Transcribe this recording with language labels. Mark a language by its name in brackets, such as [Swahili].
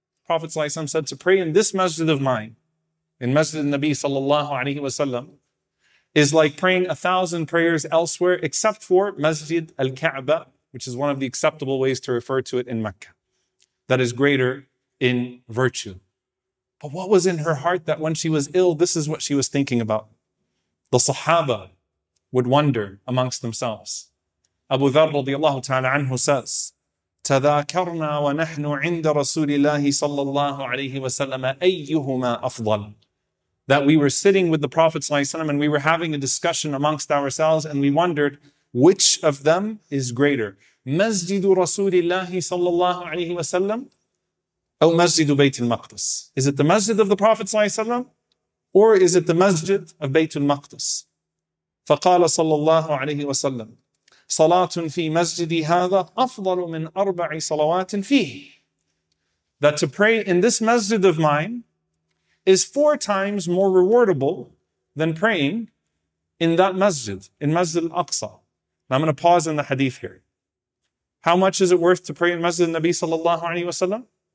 [English] Prophet sallallahu alaihi wasallam said, to pray in this masjid of mine, in Masjid al-Nabi sallallahu alaihi wasallam, is like praying 1,000 prayers elsewhere, except for Masjid al-Ka'ba, which is one of the acceptable ways to refer to it in Mecca, that is greater in virtue. But what was in her heart that when she was ill, this is what she was thinking about? The Sahaba, would wonder amongst themselves. Abu Dharr radiallahu ta'ala anhu says, [Arabic] تَذَاكَرْنَا وَنَحْنُ عِنْدَ رَسُولِ اللَّهِ صَلَّى اللَّهُ عَلَيْهِ وَسَلَّمَ أَيُّهُمَا أَفْضَلُ. [English] That we were sitting with the Prophet ﷺ and we were having a discussion amongst ourselves and we wondered, which of them is greater? [Arabic] مَسْجِدُ رَسُولِ اللَّهِ صَلَّى اللَّهُ عَلَيْهِ وَسَلَّمَ أَوْ مَسْجِدُ بَيْتِ الْمَقْدِسِ. [English] Is it the masjid of the Prophet ﷺ or is it the masjid of Baytul Maqdis? [Arabic] فَقَالَ صَلَّى اللَّهُ عَلَيْهِ وَسَلَّمَ صلاة في مسجدي هذا أفضل من أربع صلوات فيه. [English] That to pray in this masjid of mine is four times more rewardable than praying in that masjid, in Masjid al-Aqsa. Now I'm going to pause in the hadith here. How much is it worth to pray in Masjid al-Nabi sallallahu alayhi wa sallam?